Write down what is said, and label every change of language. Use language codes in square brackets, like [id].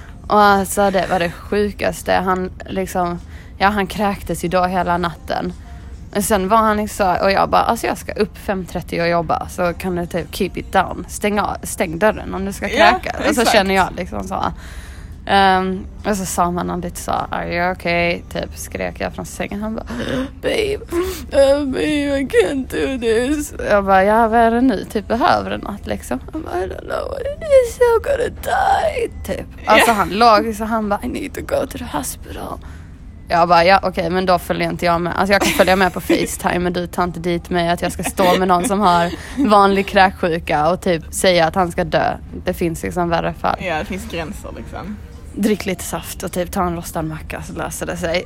[sv] Och alltså det var det sjukaste. Han liksom, ja han kräktes ju då hela natten. Sen var han liksom, och jag bara, alltså jag ska upp 5:30 och jobba, så kan du typ [en] keep it down. [sv] Stäng dörren om du ska kräka. Yeah, och så känner jag liksom så. Och så sa man han lite så, [en] are you okay? [sv] Typ skrek jag från sängen. Han bara, [en] babe, I can't do this. [sv] Jag bara, ja vad är det nu? Typ behöver du något liksom? Han bara, [en] I don't know what it is, I'm gonna die. [sv] Typ. Alltså han låg så han bara, [en] I need to go to the hospital. [sv] Jag bara, ja okej, men då följer inte jag med. Alltså jag kan följa med på FaceTime, men du tar inte dit mig att jag ska stå med någon som har vanlig kräksjuka och typ säga att han ska dö. Det finns liksom värre fall. Ja, det finns gränser liksom. Drick lite saft och typ ta en rostad macka så löser det sig.